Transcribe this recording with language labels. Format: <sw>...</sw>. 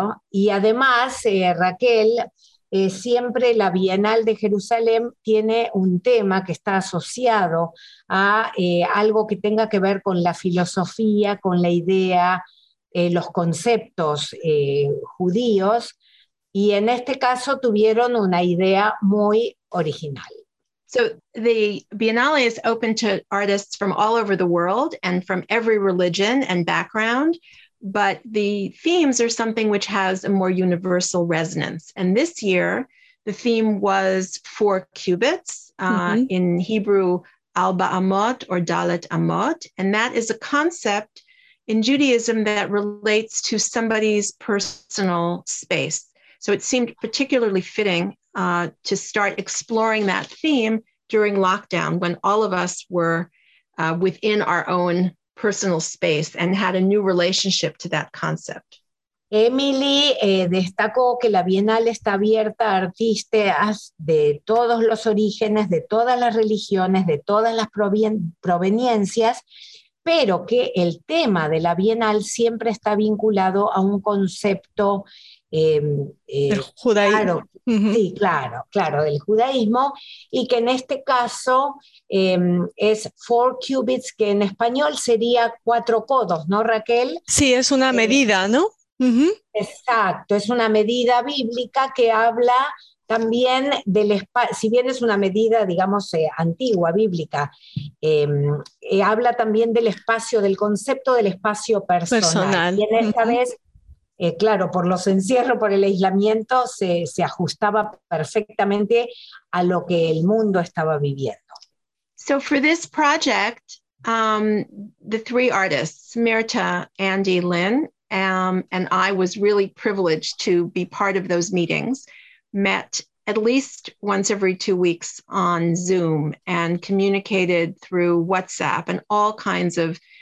<es>Y además, Raquel, siempre la Bienal de Jerusalén tiene un tema que está asociado a algo que tenga que ver con la filosofía, con la idea, los conceptos judíos. Y en este caso tuvieron una idea muy original.</es> <en>So the Biennale is open to artists from all over the world and from every religion and background, but the themes are something which has a more universal resonance. And this year, the theme was four cubits, in Hebrew, Alba Amot or Dalet Amot. And that is a concept in Judaism that relates to somebody's personal space. So it seemed particularly fitting to start exploring that theme during lockdown, when all of us were within our own personal space and had a new relationship to that concept.</en> <es>Emily, destacó que la Bienal está abierta a artistas de todos los orígenes, de todas las religiones, de todas las proveniencias, pero que el tema de la Bienal siempre está vinculado a un concepto el judaísmo. Claro, uh-huh. Sí, claro, del judaísmo, y que en este caso es four cubits, que en español sería cuatro codos, ¿no, Raquel? Sí, es una medida, ¿no? Uh-huh. Exacto, es una medida bíblica que habla también del espacio, si bien es una medida, digamos, antigua, bíblica, habla también del espacio, del concepto del espacio personal. Y en esta uh-huh. vez, claro, por los encierros, por el aislamiento, se ajustaba perfectamente a lo que el mundo estaba viviendo.</es> <en>So for this project, the three artists, Mirta, Andy, Lynn, and I was really privileged to be part of those meetings, met at least once every 2 weeks on Zoom and communicated through WhatsApp and all kinds of</en>